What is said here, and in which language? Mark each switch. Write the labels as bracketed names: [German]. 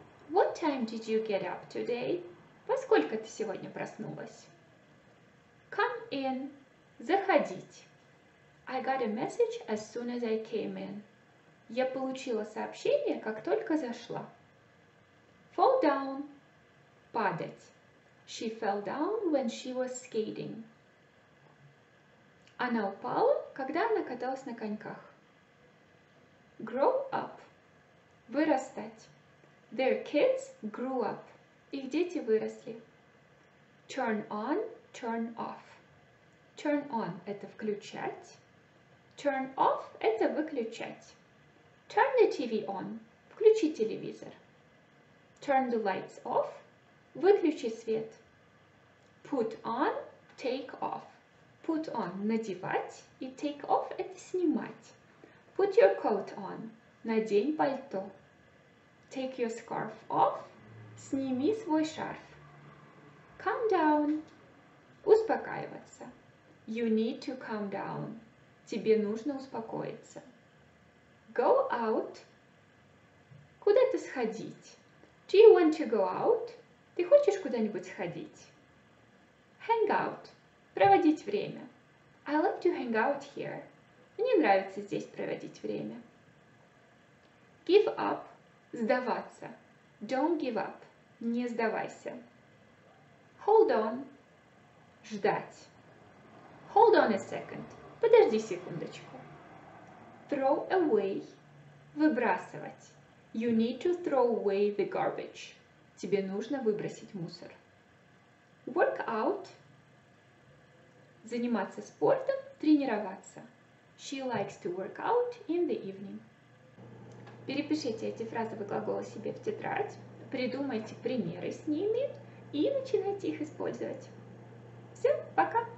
[English] What time did you get up today? [Russian] Во сколько ты сегодня проснулась? [English] Come in. [Russian] Заходить. [English] I got a message as soon as I came in. [Russian] Я получила сообщение, как только зашла. [English] Fall down. [Russian] Падать. [English] She fell down when she was skating. [Russian] Она упала, когда она каталась на коньках. [English] Grow up. [Russian] Вырастать. [English] Their kids grew up. [Russian] Их дети выросли. [English] Turn on, turn off. [Russian] Turn on – это включать. Turn off – это выключать. [English] Turn the TV on – [Russian] включи телевизор. [English] Turn the lights off – [Russian] выключи свет. [English] Put on – take off. [Russian] Put on – надевать, и take off – это снимать. [English] Put your coat on – [Russian] надень пальто. [English] Take your scarf off – [Russian] сними свой шарф. [English] Calm down. [Russian] Успокаиваться. [English] You need to calm down. [Russian] Тебе нужно успокоиться. [English] Go out. [Russian] Куда-то сходить. [English] Do you want to go out? [Russian] Ты хочешь куда-нибудь сходить? [English] Hang out. [Russian] Проводить время. [English] I love to hang out here. [Russian] Мне нравится здесь проводить время. [English] Give up. [Russian] Сдаваться. [English] Don't give up. [Russian] Не сдавайся. [English] Hold on. [Russian] Ждать. [English] Hold on a second. [Russian] Подожди секундочку. [English] Throw away. [Russian] Выбрасывать. [English] You need to throw away the garbage. [Russian] Тебе нужно выбросить мусор. [English] Work out. [Russian] Заниматься спортом, тренироваться. [English] She likes to work out in the evening. [Russian] Перепишите эти фразовые глаголы себе в тетрадь. Придумайте примеры с ними и начинайте их использовать. Все, пока!